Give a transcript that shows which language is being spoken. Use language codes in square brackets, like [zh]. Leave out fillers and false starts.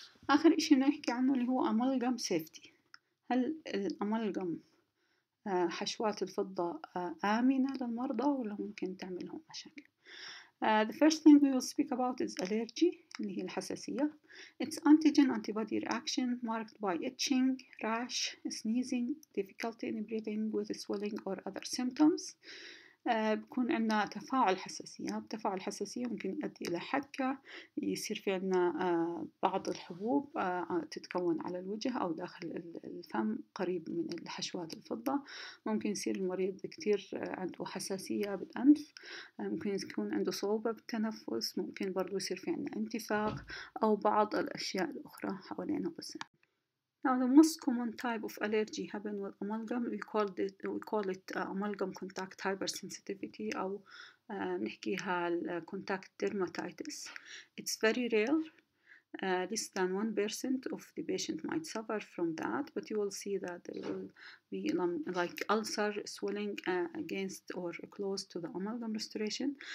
[ar] اخر اشي نحكي عنه اللي هو امالغام سيفتي. هل الامالغام حشوات الفضة امنة للمرضى ولا ممكن تعملهم مشاكل؟ [en] The first thing we will speak about is allergy, [ar] اللي هي الحساسية. [en] It's antigen-antibody reaction marked by itching, rash, sneezing, difficulty in breathing with swelling or other symptoms. [ar] بكون عندنا تفاعل حساسية. تفاعل حساسية ممكن يؤدي إلى حكة، يصير في عندنا بعض الحبوب تتكون على الوجه أو داخل الفم قريب من الحشوات الفضة. ممكن يصير المريض كتير عنده حساسية بالأنف، ممكن يكون عنده صعوبة بالتنفس، ممكن برضو يصير في عندنا انتفاخ أو بعض الأشياء الأخرى حوالينا بس. [en] Now the most common type of allergy happen with amalgam. We call it amalgam contact hypersensitivity, [ar] أو نحكيها [en] contact dermatitis. It's very rare. Less than 1% of the patient might suffer from that, but you will see that there will be like ulcer swelling against or close to the amalgam restoration.